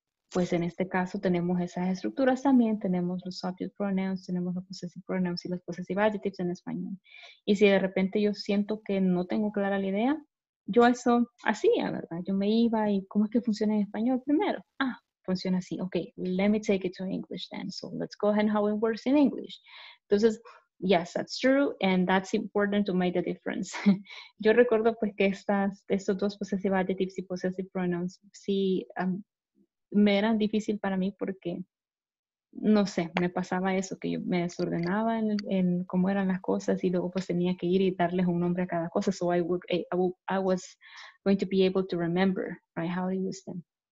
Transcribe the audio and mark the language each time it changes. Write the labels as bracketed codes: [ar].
[es] Pues en este caso tenemos esas estructuras también, tenemos los subject pronouns, tenemos los possessive pronouns y los possessive adjectives en español. Y si de repente yo siento que no tengo clara la idea, yo eso hacía, ¿verdad? Yo me iba y ¿cómo es que funciona en español primero? Ah, funciona así. [en] Okay, let me take it to English then. So let's go ahead and how it works in English. [es] Entonces, [en] yes, that's true, and that's important to make the difference. [es] Yo recuerdo pues que estos dos possessive adjectives y possessive pronouns sí me eran difícil para mí porque, no sé, me pasaba eso, que yo me desordenaba en cómo eran las cosas y luego pues tenía que ir y darles un nombre a cada cosa, [en] so I was going to be able to remember, right, how to use them.